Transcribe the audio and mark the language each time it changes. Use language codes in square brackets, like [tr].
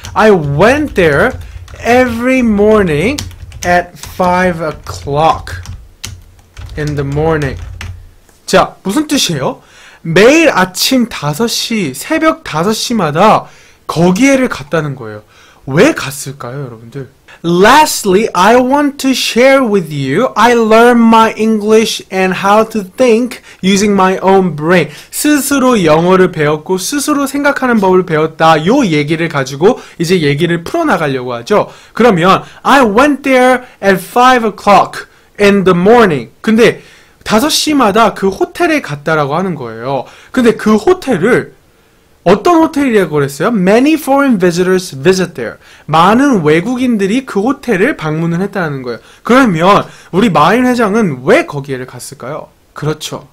[en] I went there every morning at 5 o'clock in the morning. [ko] 자, 무슨 뜻이에요? 매일 아침 5시, 새벽 5시마다 거기에를 갔다는 거예요. 왜 갔을까요, 여러분들? [en] Lastly, I want to share with you. I learned my English and how to think using my own brain. [ko] 스스로 영어를 배웠고, 스스로 생각하는 법을 배웠다. 요 얘기를 가지고 이제 얘기를 풀어나가려고 하죠. [en] 그러면, I went there at 5 o'clock in the morning. 근데, [ko] 5시마다 그 호텔에 갔다라고 하는 거예요. 근데 그 호텔을 어떤 호텔이라고 그랬어요? [en] Many foreign visitors visit there. [ko] 많은 외국인들이 그 호텔을 방문을 했다는 거예요. 그러면 우리 마인 회장은 왜 거기에 갔을까요? 그렇죠.